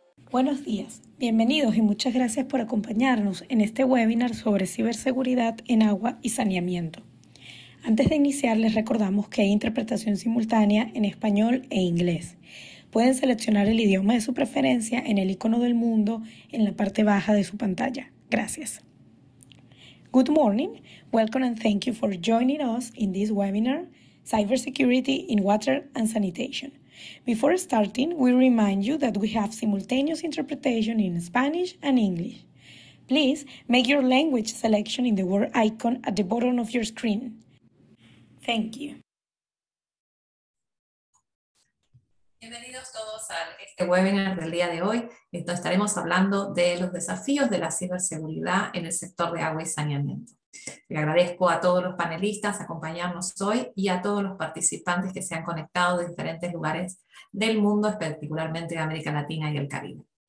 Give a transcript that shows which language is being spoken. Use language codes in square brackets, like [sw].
[es] Buenos días, bienvenidos y muchas gracias por acompañarnos en este webinar sobre ciberseguridad en agua y saneamiento. Antes de iniciar, les recordamos que hay interpretación simultánea en español e inglés. Pueden seleccionar el idioma de su preferencia en el icono del mundo en la parte baja de su pantalla. Gracias. [en] Good morning, welcome and thank you for joining us in this webinar, Cybersecurity in Water and Sanitation. Before starting, we remind you that we have simultaneous interpretation in Spanish and English. Please make your language selection in the word icon at the bottom of your screen. Thank you. [es] Bienvenidos todos a este webinar del día de hoy. Estaremos hablando de los desafíos de la ciberseguridad en el sector de agua y saneamiento. Le agradezco a todos los panelistas acompañarnos hoy y a todos los participantes que se han conectado de diferentes lugares del mundo, particularmente de América Latina y el Caribe.